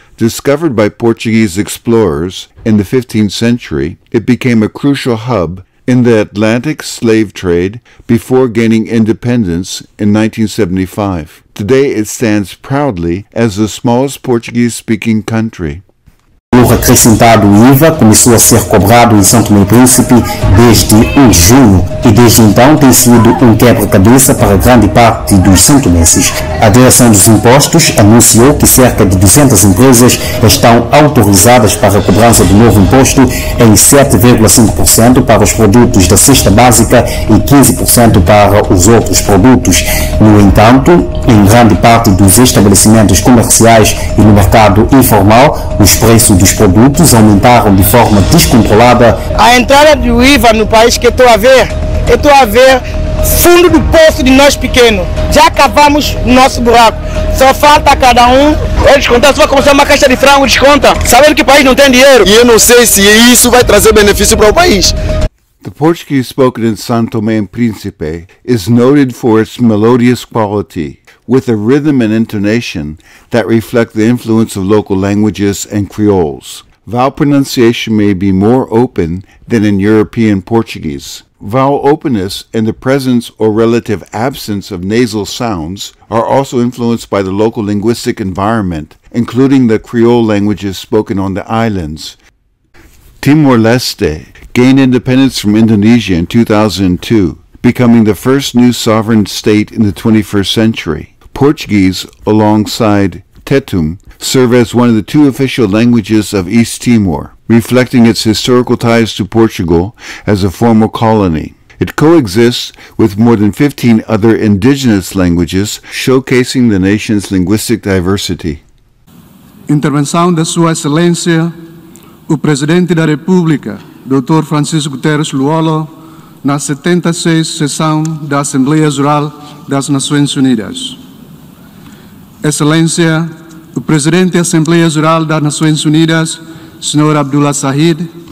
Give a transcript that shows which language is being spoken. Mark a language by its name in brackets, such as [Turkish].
[English] Discovered by Portuguese explorers in the 15th century, it became a crucial hub in the Atlantic slave trade before gaining independence in 1975. Today it stands proudly as the smallest Portuguese-speaking country. [Portuguese] O acrescentado IVA começou a ser cobrado em São Tomé e Príncipe desde 1 de junho e desde então tem sido um quebra-cabeça para grande parte dos santomenses. A Direção dos Impostos anunciou que cerca de 200 empresas estão autorizadas para a cobrança do novo imposto em 7,5% para os produtos da cesta básica e 15% para os outros produtos. No entanto, em grande parte dos estabelecimentos comerciais e no mercado informal, os preços dos produtos aumentaram de forma descontrolada. A entrada do IVA no país que eu estou a ver fundo do poço de nós pequeno. Já cavamos o nosso buraco. Só falta cada um. É descontar, se vai começar uma caixa de frango, desconta. Sabendo que o país não tem dinheiro. E eu não sei se isso vai trazer benefício para o país. [English] The Portuguese spoken in Sao Tome and Príncipe is noted for its melodious quality, with a rhythm and intonation that reflect the influence of local languages and creoles. Vowel pronunciation may be more open than in European Portuguese. Vowel openness and the presence or relative absence of nasal sounds are also influenced by the local linguistic environment, including the creole languages spoken on the islands. Timor-Leste gained independence from Indonesia in 2002, becoming the first new sovereign state in the 21st century. Portuguese, alongside Tetum, serve as one of the two official languages of East Timor, reflecting its historical ties to Portugal as a former colony. It coexists with more than 15 other indigenous languages, showcasing the nation's linguistic diversity. [Portuguese] Intervenção da Sua Excelência, o Presidente da República, Dr. Francisco Guterres Luolo, na 76ª sessão da Assembleia Geral das Nações Unidas. Excelência, o Presidente da Assembleia Geral das Nações Unidas, Sr. Abdullah Sahid.